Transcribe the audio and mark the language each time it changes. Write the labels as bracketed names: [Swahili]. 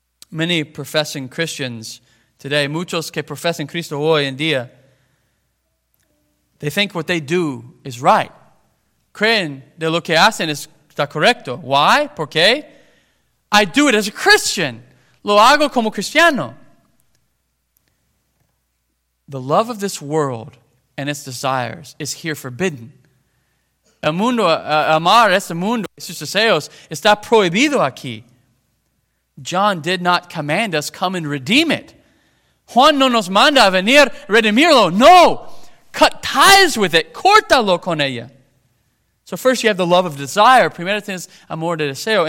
[English] Many professing Christians today, [Spanish] muchos que profesan Cristo hoy en día, [English] they think what they do is right. [Spanish] Creen de lo que hacen está correcto. [English] Why? [Spanish] ¿Por qué? [English] I do it as a Christian. [Spanish] Lo hago como cristiano. [English] The love of this world and its desires is here forbidden. [Spanish] El mundo, amar este mundo y sus deseos está prohibido aquí. [English] John did not command us come and redeem it. [Spanish] Juan no nos manda a venir redimirlo. No! [English] Cut ties with it. [Spanish] Córtalo con ella. [English] So first you have the love of desire. [Spanish] Primero tienes amor de deseo.